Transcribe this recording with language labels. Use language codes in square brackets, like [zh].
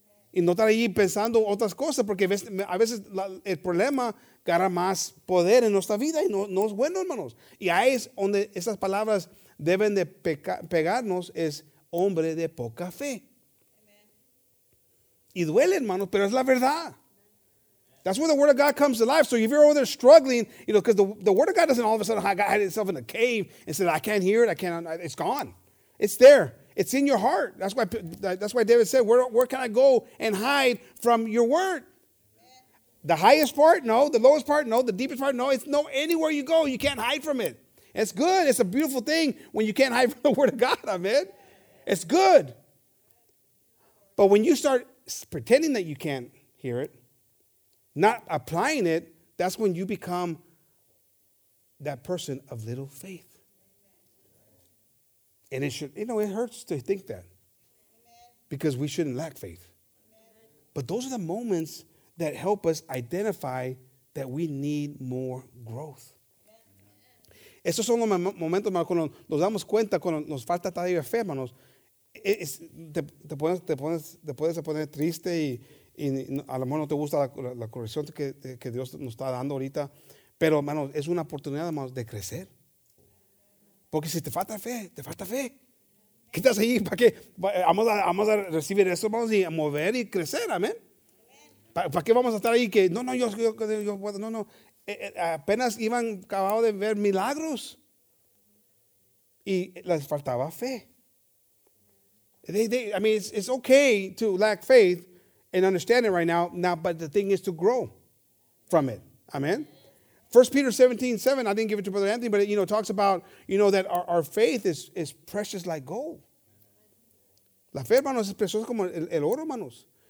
[es] Y no estar ahí pensando otras cosas, porque a veces el problema gana más poder en nuestra vida y no es bueno, hermanos. Y ahí es donde esas palabras deben de pegarnos, es hombre de poca fe. Y duele, hermanos, pero es la verdad. [en] That's where the word of God comes to life. So if you're over there struggling, you know, because the word of God doesn't all of a sudden hide itself in a cave and say, I can't hear it, I can't, it's gone. It's there. It's in your heart. That's why David said, where can I go and hide from your word? The highest part? No. The lowest part? No. The deepest part? No. It's no, anywhere you go, you can't hide from it. It's good. It's a beautiful thing when you can't hide from the word of God. Amen. It's good. But when you start pretending that you can't hear it, not applying it, that's when you become that person of little faith. And it should, you know, it hurts to think that. Because we shouldn't lack faith. But those are the moments that help us identify that we need more growth. [es] Esos son los momentos, hermano, cuando nos damos cuenta, cuando nos falta todavía fe, hermanos. Te puedes poner triste y a lo mejor no te gusta la corrección que Dios nos está dando ahorita. Pero, hermano, es una oportunidad, hermano, de crecer. Porque si te falta fe, te falta fe. ¿Qué estás ahí? ¿Para qué? Vamos a recibir eso, vamos a mover y crecer, amén. ¿Para qué vamos a estar ahí que no, yo puedo, no. Apenas iban acabado de ver milagros y les faltaba fe. [en] I mean, it's okay to lack faith and understand it right now, but the thing is to grow from it, amén. 1 Peter 17:7, I didn't give it to Brother Anthony, but it, you know, talks about, you know, that our faith is precious like gold. [es] La fe, hermanos, es preciosa como el oro, hermanos.